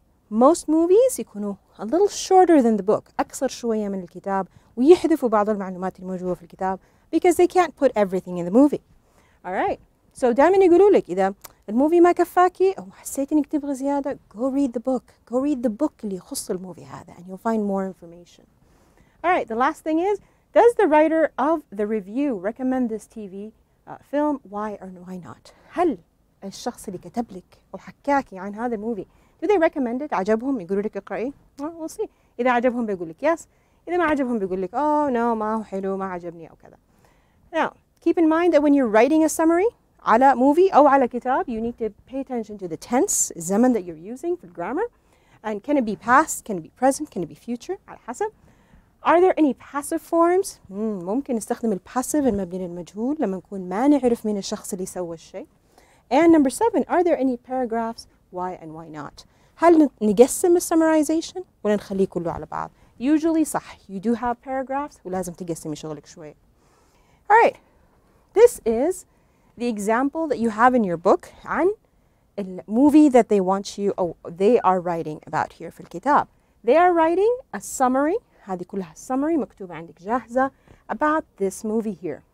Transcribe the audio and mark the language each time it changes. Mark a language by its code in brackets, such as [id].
[en] Most movies يكونوا a little shorter than the book, [ar] أقصر شوية من الكتاب ويحذفوا بعض المعلومات الموجودة في الكتاب [en] because they can't put everything in the movie. All right. [ar] So دائما يقولوا لك إذا الموفي ما كفاكي أو حسيت إنك تبغى زيادة [en] go read the book. Go read the book [ar] اللي يخص الموفي هذا [en] and you'll find more information. All right, the last thing is, does the writer of the review recommend this TV film? Why or why not? [ar] هل الشخص اللي كتب لك أو حكاكي عن هذا الموفي, [en] do they recommend it? [ar] عجبهم يقولوا لك اقرأي? [en] We'll see. [ar] إذا عجبهم بيقول لك yes. إذا ما عجبهم بيقول لك [en] oh no, [ar] ما هو حلو, ما عجبني أو كذا. [en] Now, keep in mind that when you're writing a summary [ar] على موفي أو على كتاب, [en] you need to pay attention to the tense, [ar] الزمن [en] that you're using for grammar. And can it be past, can it be present, can it be future? [ar] على حسب. [en] Are there any passive forms? [ar] ممكن نستخدم الباسيف المبني للمجهول لما نكون ما نعرف مين الشخص اللي سوى الشيء. [en] And number seven, are there any paragraphs why and why not. [ar] هل نقسم السمرايزيشن ولا نخليه كله على بعض؟ Usually صح, [en] you do have paragraphs [ar] ولازم تقسمي شغلك شوي. [en] Alright, this is the example that you have in your book عن movie that they want you, oh, they are writing about here [ar] في الكتاب. [en] They are writing a summary, [ar] هذه كلها [en] summary [ar] مكتوبة عندك جاهزة, [en] about this movie here.